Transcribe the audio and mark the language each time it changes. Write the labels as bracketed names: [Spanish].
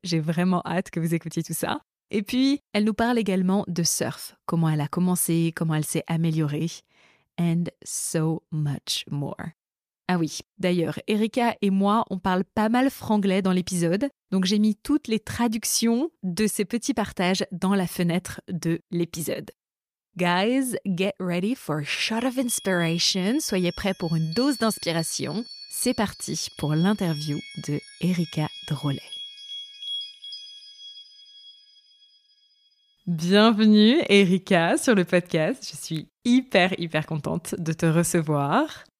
[French] J'ai vraiment hâte que vous écoutiez tout ça. Et puis, elle nous parle également de surf, comment elle a commencé, comment elle s'est améliorée, [English] and so much more. [French] Ah oui, d'ailleurs, Erika et moi, on parle pas mal franglais dans l'épisode, donc j'ai mis toutes les traductions de ces petits partages dans la fenêtre de l'épisode. [English] Guys, get ready for a shot of inspiration. [French] Soyez prêts pour une dose d'inspiration. C'est parti pour l'interview de Erika Drolet. Bienvenue Erika sur le podcast. Je suis hyper, hyper contente de te recevoir.